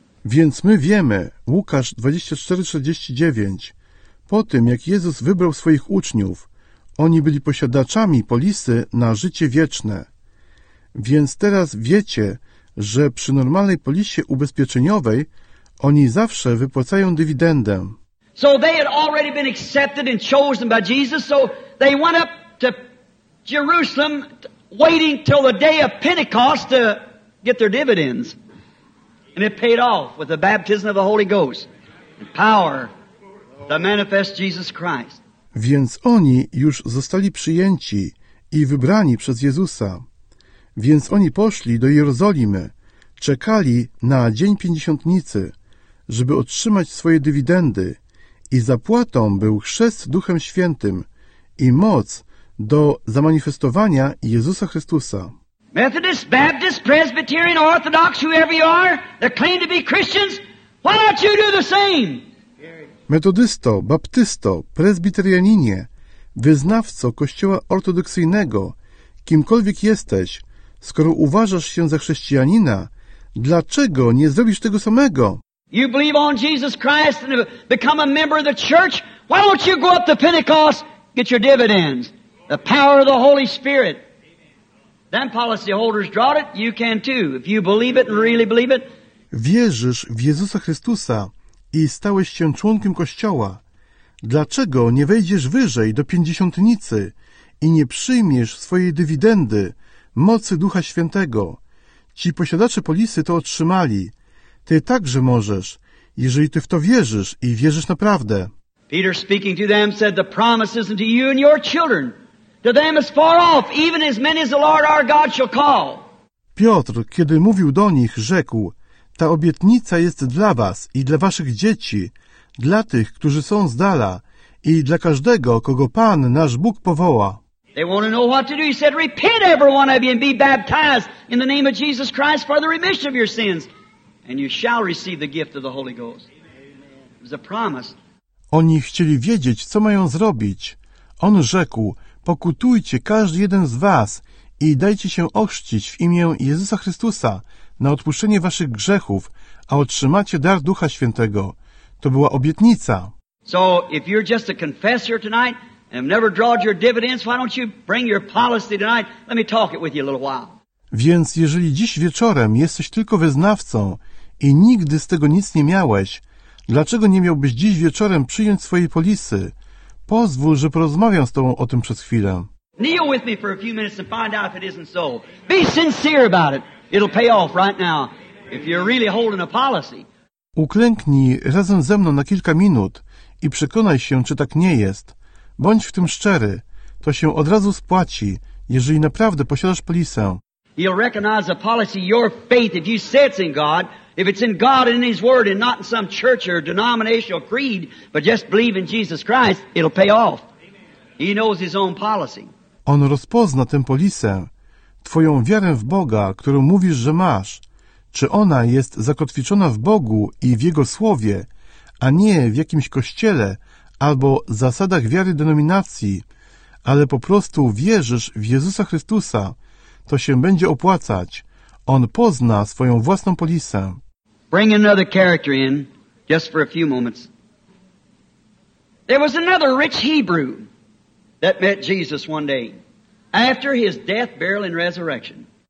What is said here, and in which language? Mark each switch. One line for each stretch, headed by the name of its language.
Polish: Więc my wiemy, Łukasz 24:49, po tym jak Jezus wybrał swoich uczniów, oni byli posiadaczami polisy na życie wieczne. Więc teraz wiecie, że przy normalnej polisie ubezpieczeniowej oni zawsze wypłacają dywidendę.
English: So they had already been accepted and chosen by Jesus, so they went up to Jerusalem waiting till the day of Pentecost to get their dividends. And it paid off with the baptism of the Holy Ghost and power to manifest Jesus Christ.
Polish: Więc oni już zostali przyjęci i wybrani przez Jezusa. Więc oni poszli do Jerozolimy, czekali na dzień Pięćdziesiątnicy, żeby otrzymać swoje dywidendy, i zapłatą był chrzest Duchem Świętym i moc do zamanifestowania Jezusa Chrystusa.
English: Methodist, Baptist, Presbyterian, Orthodox, whoever you are, that claim to be Christians, why don't you do the same?
Polish: Metodysto, baptysto, prezbiterianinie, wyznawco kościoła ortodoksyjnego, kimkolwiek jesteś, skoro uważasz się za chrześcijanina, dlaczego nie zrobisz tego samego?
English: You believe on Jesus Christ and have become a member of the church? Why don't you go up to Pentecost, get your dividends, the power of the Holy Spirit? Them policy holders draw it, you can too, if you believe it and really believe it.
Polish: Wierzysz w Jezusa Chrystusa i stałeś się członkiem Kościoła. Dlaczego nie wejdziesz wyżej do Pięćdziesiątnicy i nie przyjmiesz swojej dywidendy, mocy Ducha Świętego? Ci posiadacze polisy to otrzymali. Ty także możesz, jeżeli ty w to wierzysz i wierzysz naprawdę.
English: Peter speaking to them said, the promise isn't to you and your children. To them is far off, even as many as the Lord our God shall call.
Polish: Piotr, kiedy mówił do nich, rzekł, ta obietnica jest dla was i dla waszych dzieci, dla tych, którzy są z dala i dla każdego, kogo Pan, nasz Bóg powoła.
English: They want to know what to do. He said, repent every one of you and be baptized in the name of Jesus Christ for the remission of your sins. And you shall receive the gift of the Holy Ghost. It was a promise.
Polish: Oni chcieli wiedzieć, co mają zrobić. On rzekł, pokutujcie każdy jeden z was i dajcie się ochrzcić w imię Jezusa Chrystusa na odpuszczenie waszych grzechów, a otrzymacie dar Ducha Świętego. To była obietnica.
English: So if you're just a confessor tonight and have never drawn your dividends, why don't you bring your policy tonight? Let me talk it with you a little while.
Polish: Więc jeżeli dziś wieczorem jesteś tylko wyznawcą i nigdy z tego nic nie miałeś, dlaczego nie miałbyś dziś wieczorem przyjąć swojej polisy? Pozwól, że porozmawiam z tobą o tym przez chwilę.
English: Kneel with me for a few minutes and find out if it isn't so. Be sincere about it. It'll pay off right now if you're really holding a policy.
Polish: Uklęknij razem ze mną na kilka minut i przekonaj się, czy tak nie jest. Bądź w tym szczery. To się od razu spłaci, jeżeli naprawdę posiadasz polisę.
English: He'll recognize the policy, your faith, if you say it's in God, if it's in God and in His Word and not in some church or denominational creed, but just believe in Jesus Christ, it'll pay off. He knows His own policy.
Polish: On rozpozna tę polisę, twoją wiarę w Boga, którą mówisz, że masz. Czy ona jest zakotwiczona w Bogu i w Jego Słowie, a nie w jakimś kościele albo zasadach wiary denominacji, ale po prostu wierzysz w Jezusa Chrystusa, to się będzie opłacać. On pozna swoją własną polisę.
English: Bring another character in, just for a few moments. There was another rich Hebrew that met Jesus one day after his death, burial and resurrection.